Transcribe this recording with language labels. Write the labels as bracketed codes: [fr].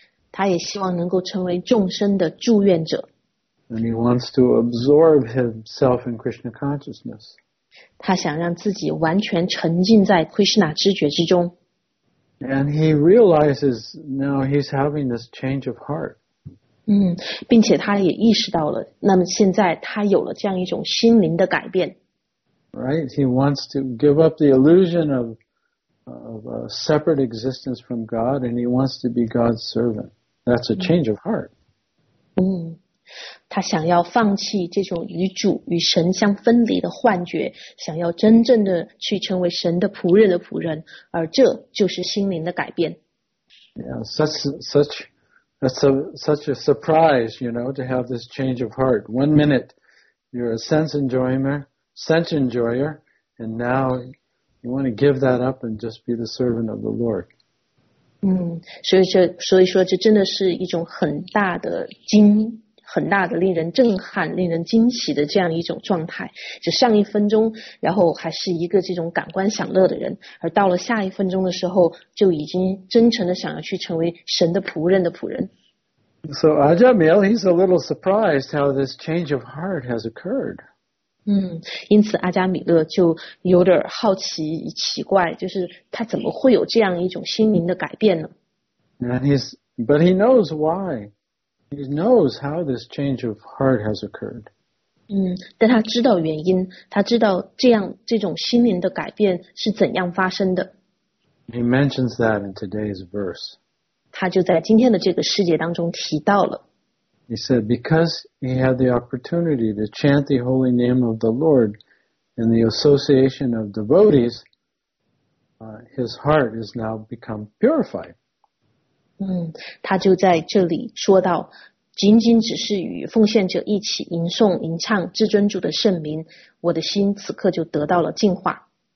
[zh] 他也希望能够成为众生的祝愿者。 [en] And he wants to absorb himself in Krishna consciousness. [zh] 他想让自己完全沉浸在 Krishna 知觉之中。 [en] And he realizes now he's having this change of heart. [zh] 并且他也意识到了，那么现在他有了这样一种心灵的改变。 [en] Right? He wants to give up the illusion of a separate existence from God, and he wants to be God's servant. That's a change of heart. [zh] 他想要放弃这种与主与神相分离的幻觉，想要真正的去成为神的仆人的仆人，而这就是心灵的改变。 [en] Such a surprise, you know, to have this change of heart. One minute, you're a sense enjoyer, and now... You want to give that up and just be the servant of the Lord. [zh] 所以说这真的是一种很大的令人震撼令人惊喜的这样一种状态。就上一分钟然后还是一个这种感官享乐的人，而到了下一分钟的时候就已经真诚的想要去成为神的仆人的仆人。 [en] So Ajamil, he's a little surprised how this change of heart has occurred. [zh] 因此阿加米勒就有点好奇奇怪，就是他怎么会有这样一种心灵的改变呢？ [en] But he knows why. He knows how this change of heart has occurred. [zh] 但他知道原因，他知道这种心灵的改变是怎样发生的。 [en] He mentions that in today's verse. [zh] 他就在今天的这个世界当中提到了。 [en] He said, because he had the opportunity to chant the holy name of the Lord in the association of devotees, his heart has now become purified. [zh] 他就在这里说到，仅仅只是与奉献者一起吟诵吟唱至尊主的圣名，我的心此刻就得到了净化。